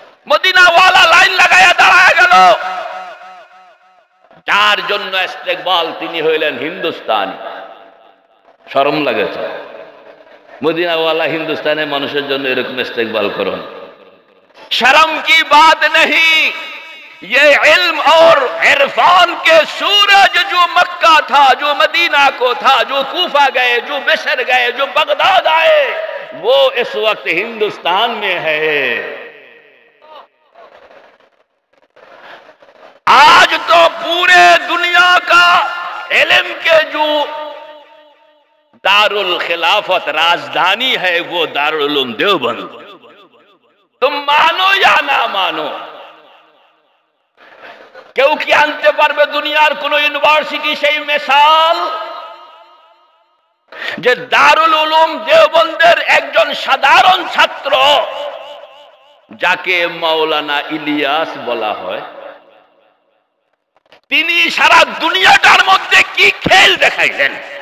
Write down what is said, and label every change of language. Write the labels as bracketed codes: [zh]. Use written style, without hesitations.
[bn] মদিনাওয়ালা লাইন লাগায়া দাঁড়ায় গেল, যার জন্য ইস্তেকবাল তিনি হইলেন হিন্দুস্তানি। শরম লাগে তো মদিনাওয়ালা, হিন্দুস্তানের মানুষের জন্য এরকম ইস্তেকবাল করুন। [hi] শরম কি বাত নেই, ये इल्म और इरफान के सूरज जो मक्का था, जो मदीना को था, जो कूफा गए, जो मिस्र गए, जो बगदाद आए, वो इस वक्त हिंदुस्तान में है। आज तो पूरे दुनिया का इल्म के जो दारुल खिलाफत राजधानी है वो दारुल उलूम देवबंद। तुम मानो या ना मानो, [bn] কেউ কি আনতে পারবে দুনিয়ার কোন ইউনিভার্সিটি সেই মিসাল যে দারুল উলুম দেওবন্দের একজন সাধারণ ছাত্র যাকে মাওলানা ইলিয়াস বলা হয়, তিনি সারা দুনিয়াটার মধ্যে কি খেল দেখাইলেন,